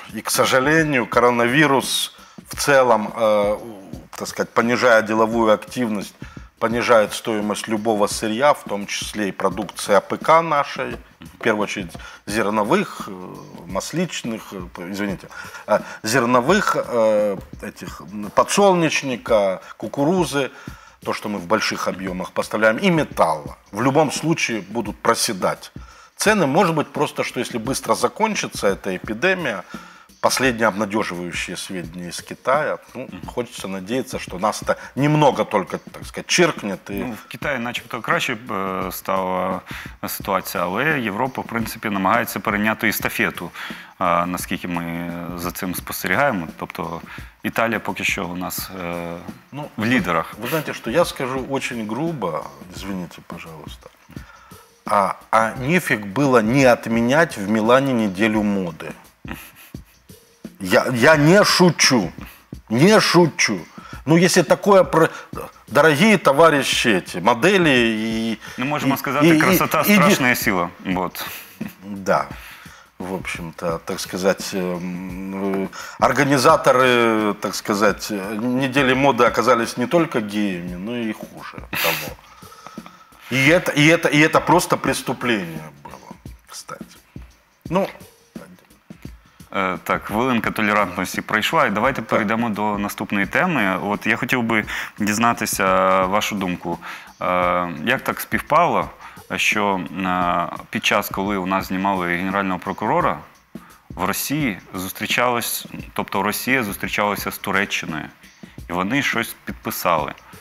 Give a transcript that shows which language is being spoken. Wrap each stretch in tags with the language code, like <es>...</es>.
<ru>И, к сожалению, коронавирус в целом, так сказать, понижая деловую активность, понижает стоимость любого сырья, в том числе и продукции АПК нашей, в первую очередь зерновых, масличных, извините, зерновых, этих, подсолнечника, кукурузы, то, что мы в больших объемах поставляем, и металла. В любом случае будут проседать цены. Может быть, просто, что если быстро закончится эта эпидемия, последние обнадеживающие сведения из Китая. Ну, хочется надеяться, что нас-то немного только, так сказать, чиркнет. И...</ru> <uk>Ну, в Китаї начебто краще стала ситуація, але Європа, в принципі, намагається перейняти естафету, наскільки ми за цим спостерігаємо. Тобто Італія поки що у нас в лідерах. Ви знаєте, що я скажу дуже грубо,</uk> <ru>извините, пожалуйста,</ru> <uk>а</uk> <ru>нефиг</ru> <uk>було не відміняти в Мілані неділю моди.</uk> <ru>Я не шучу, не шучу. Ну, если такое, дорогие товарищи эти, модели и... Мы можем сказать, красота – страшная сила. Вот. Да, в общем-то, так сказать, организаторы, так сказать, недели моды оказались не только геями, но и хуже того. И это просто преступление было, кстати. Ну...</ru> <uk>Так, хвилинка толерантності пройшла, і давайте перейдемо до наступної теми. От я хотів би дізнатися вашу думку. Як так співпало, що під час, коли у нас знімали генерального прокурора, в Росії зустрічалось, тобто Росія зустрічалася з Туреччиною, і вони щось підписали.</uk>